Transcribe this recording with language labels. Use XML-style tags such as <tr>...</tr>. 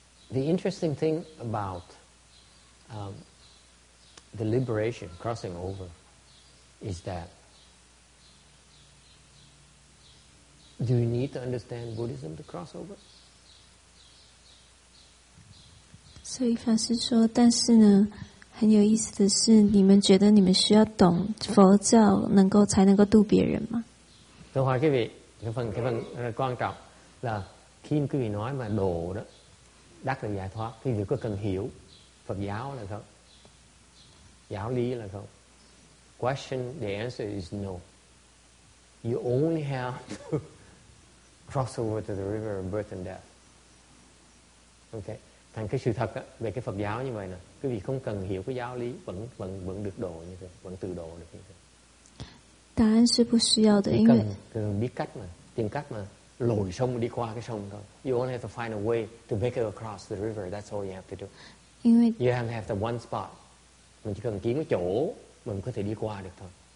<en>The interesting thing about the liberation, crossing over, is that do you need to understand Buddhism to cross over?</en> <zh>所以法师说，但是呢，很有意思的是，你们觉得你们需要懂佛教，能够才能够度别人吗？等会儿，各位，那份，那份，关照，那，听各位说嘛，道的。</zh> <vi>Đắc được giải thoát, thì có cần hiểu Phật giáo là không? Giáo lý là không?</vi> <en>Question, the answer is no. You only have to cross over to the river of birth and death. Okay?</en> <vi>thành cái sự thật á, về cái Phật giáo như vậy nè. Quý vị không cần hiểu cái giáo lý vẫn được độ như thế, vẫn tự độ được như thế. Đáp án là không cần, cần biết cách mà, tìm cách mà lội sông đi qua cái sông thôi.</vi> <en>You only have to find a way to make it across the river. That's all you have to do. You only have the one spot.</en> <vi>Mình chỉ cần kiếm cái chỗ mình có thể đi qua được thôi.</vi>